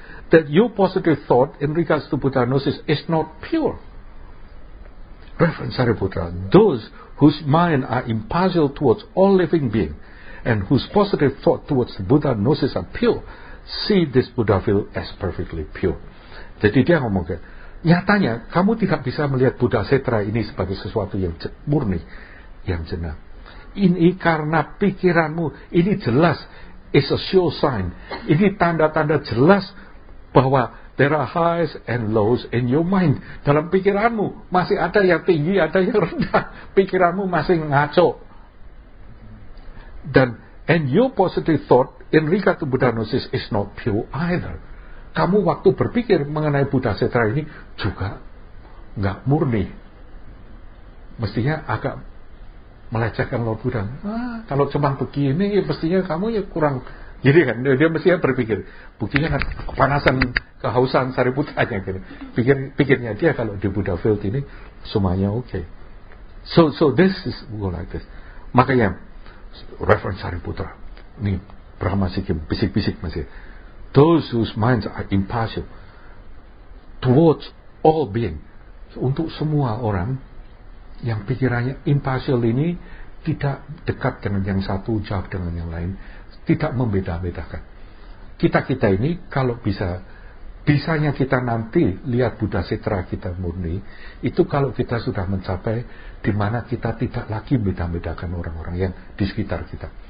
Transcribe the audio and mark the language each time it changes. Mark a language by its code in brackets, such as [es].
[en] That your positive thought in regards to Buddha gnosis is not pure. Reference Sariputra, those whose mind are impartial towards all living beings and whose positive thought towards the Buddha gnosis are pure, see this Buddha field as perfectly pure. [id] Jadi dia ngomong, nyatanya kamu tidak bisa melihat Buddha Setra ini sebagai sesuatu yang murni, yang jenak. Ini karena pikiranmu, ini jelas, [en] is a sure sign. [id] Ini tanda-tanda jelas bahwa [en] there are highs and lows in your mind. [id] Dalam pikiranmu masih ada yang tinggi, ada yang rendah. Pikiranmu masih ngaco. Dan [en] and your positive thought in regard to Buddha gnosis is not pure either. [id] Kamu waktu berpikir mengenai Buddha Setra ini juga enggak murni. Mestinya agak melecehkan Lord Buddha. Kalau cuma begini mestinya kamu ya kurang. Jadi kan dia mestinya berpikir. Buktinya kan kepanasan, kehausan Sariputra aja gitu. Pikirnya dia kalau di Buddha field ini semuanya oke. [en] So this is go like this. [id] Makanya [en] reference Sariputra. [id] Ini Brahma Sikim bisik-bisik masih. [en] Those whose minds are impartial towards all being. [id] Untuk semua orang yang pikirannya impartial ini tidak dekat dengan yang satu, jauh dengan yang lain, tidak membeda-bedakan. Kita-kita ini kalau bisa bisanya kita nanti lihat Buddha Citra kita murni itu kalau kita sudah mencapai di mana kita tidak lagi membeda-bedakan orang-orang yang di sekitar kita.